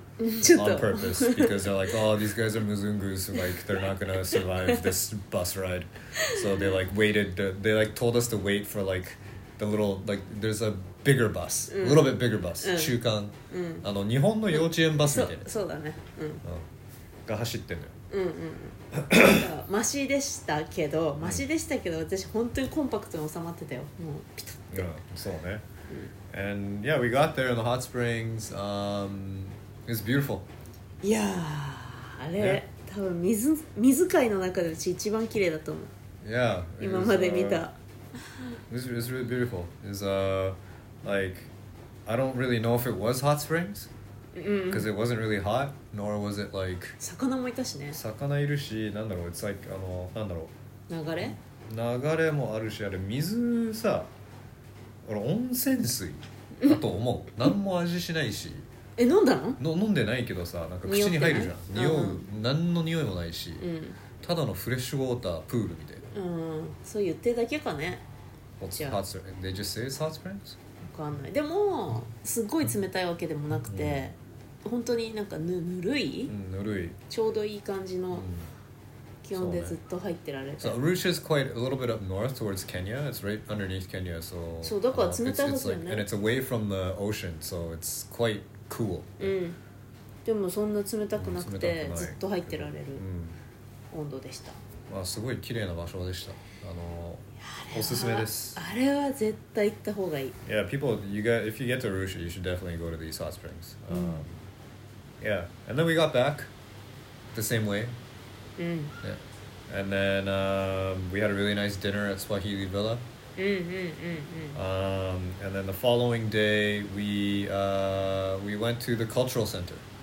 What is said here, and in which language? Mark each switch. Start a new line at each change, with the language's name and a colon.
English: on purpose because they're like, oh, these guys are Muzungus, like they're not gonna survive this bus ride, so they like waited, they like told us to wait for like the little, like there's a bigger bus, a little bit bigger bus,
Japanese: 中間、あの日本の幼稚園バスみたいな、そうだね、が走ってんのよ、マシでしたけど、マシでしたけど、私本当にコンパクトに収まってたよ、もうピタッて、そうね、
English: and yeah, we got there in the hot springs, It's beautiful. Yeah,
Japanese: あれ、多分水、水界の中で私一番綺麗だと思う。
English: Yeah,
Japanese: 今まで見た。
English: It's really beautiful. It's like, I don't really know if it was hot springs, because it wasn't really hot, nor was it like...
Japanese: 魚もいたしね。魚いるし、なんだろう、
English: it's like,
Japanese: あの、なんだろう。流れ？流れもあるし、あれ水さ、俺温泉水だと思う。何も味しないし。え、飲んだの？飲んでないけどさ、なんか口に入るじゃん。匂う、何の匂いもないし、ただのフレッシュウォータープールみたいな。そう言ってだけかね。
English: Hot spring. They just say it's hot springs?
Japanese: わかんない。でも、すごい冷たいわけでもなくて、本当になんかぬるい？ぬるい。ちょうどいい感じの気温でずっと入ってられて。
English: So,
Japanese: ね、
English: so Arusha is quite a little bit up north towards Kenya. It's right underneath Kenya, so...
Japanese: そう、だから冷たいはずだよね。
English: And it's away from the ocean, so it's quite... Cool.
Japanese: でもそんな冷たくなくて、ずっと入ってられる温度でした。まあ、すごい綺麗な場所でした。おすすめです。あれは絶対行った方がいい。
English: Yeah, people, you get, if you get to Arusha, you should definitely go to these hot springs. Yeah, and then we got back the same way. Yeah. And then, we had a really nice dinner at Swahili Villa. And then the following day, we went to the cultural center.